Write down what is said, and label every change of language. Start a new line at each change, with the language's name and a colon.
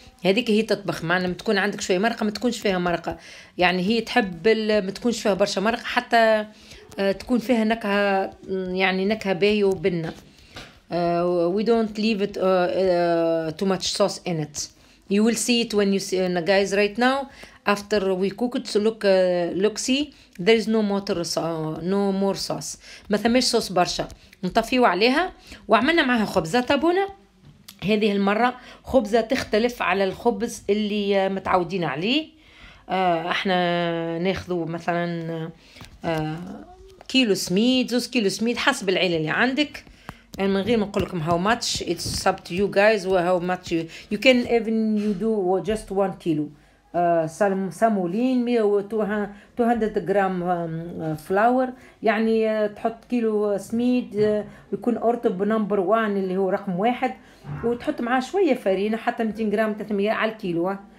Arabic: هذيك هي تطبخ معنا. ما تكون عندك شويه مرقه ما تكونش فيها مرقه، يعني هي تحب ما تكونش فيها برشا مرقه حتى تكون فيها نكهه، يعني نكهه باهيه وبنه.
English: We don't leave it too much sauce in it. You will see it when you see the guys right now after we cook it. So look, look, see, there is no more sauce, no more sauce.
Arabic: ما ثماش صوص برشا. نطفيو عليها وعملنا معها خبزة تابونة. هذه المرة خبزة تختلف على الخبز اللي متعودين عليه. احنا ناخذو مثلا كيلو سميد، 2 كيلو سميد حسب العيلة اللي عندك.
English: And
Arabic: من غير ما نقول لكم
English: how much, it's up to you guys how much you can even you do just 1 kilo.
Arabic: سامولين 200 غرام flour، يعني تحط كيلو سميد يكون ارطب نمبر 1 اللي هو رقم 1، وتحط معاه شويه فرينه حتى 200 غرام 300 على الكيلو.